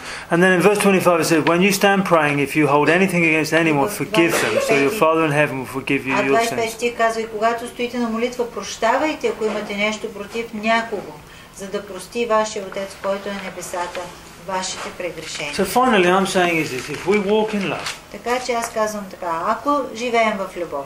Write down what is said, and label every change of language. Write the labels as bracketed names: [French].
[English] And then in verse 25 it says, when you stand praying, if you hold anything against anyone, forgive them, so your Father in heaven will forgive you your sins. [Bulgarian] Казва, когато стоите на молитва, прощавайте, ако имате нещо против някого, за да прости вашия Отец, който е на небесата, вашите прегрешения. [English] So finally I'm saying is this, if we walk in love. [Bulgarian] Така че аз казвам така, ако живеем в любов.